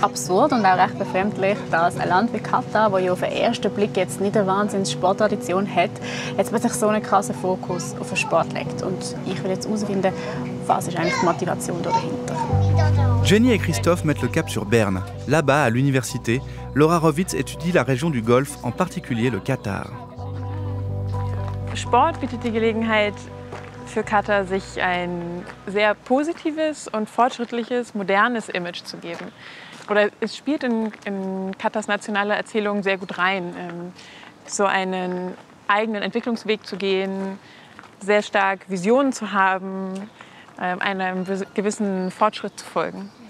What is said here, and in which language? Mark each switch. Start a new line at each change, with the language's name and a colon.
German: absurd und auch recht befremdlich, dass ein Land wie Katar, das ja auf den ersten Blick jetzt nicht eine wahnsinnige Sporttradition hat, jetzt plötzlich so einen krassen Fokus auf den Sport legt. Und ich will jetzt herausfinden, was ist eigentlich die Motivation dahinter.
French: Jenny et Christophe mettent le cap sur Berne. Là-bas, à l'université, Laura Rovitz étudie la région du Golfe, en particulier le Katar.
German: Sport bietet die Gelegenheit für Katar, sich ein sehr positives und fortschrittliches, modernes Image zu geben. Oder es spielt in Katars nationale Erzählung sehr gut rein, so einen eigenen Entwicklungsweg zu gehen, sehr stark Visionen zu haben, einem gewissen Fortschritt zu folgen.